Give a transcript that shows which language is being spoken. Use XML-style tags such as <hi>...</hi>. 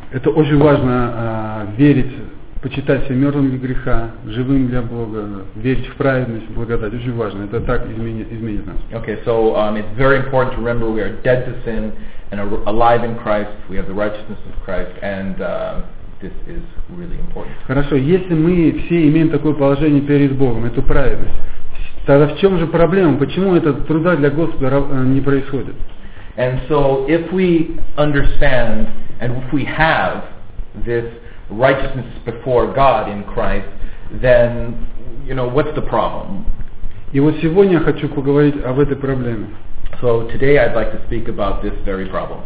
<ru>Это очень важно верить, почитать себя мертвым для греха, живым для Бога, верить в праведность, благодать. Очень важно. Это так изменит нас.</ru> <en>Okay, so it's very important to remember we are dead to sin and alive in Christ. We have the righteousness of Christ, and this is really important.</en> <ru>Хорошо. Если мы все имеем такое положение перед Богом, эту праведность, тогда в чем же проблема? Почему это труда для Господа не происходит?</ru> <en>And so if we understand and if we have this righteousness before God in Christ, then, you know, what's the problem?</en> <ru>И вот сегодня я хочу поговорить об этой проблеме.</ru> <en>So today I'd like to speak about this very problem.</en>